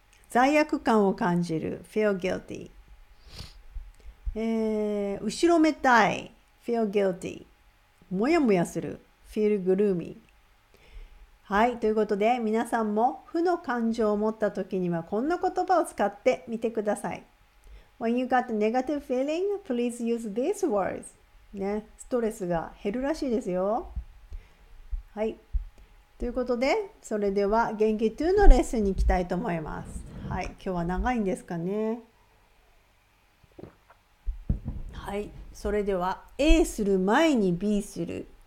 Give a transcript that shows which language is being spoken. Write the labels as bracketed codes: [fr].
[ja] 罪悪感を感じる、 [en] feel guilty。 [ja] 後ろめたい、 [en] feel guilty。 [ja] もやもやする、 [en] feel gloomy。 [ja] はい、ということで皆さんも負の感情を持った時にはこんな言葉を使ってみてください。 [en] When you got a negative feeling, please use these words. [ja] ね、ストレスが減るらしいですよ。はい、ということでそれでは元気2のレッスンに行きたいと思います。はい、今日は長いんですかね。はい、それでは A する前に B する。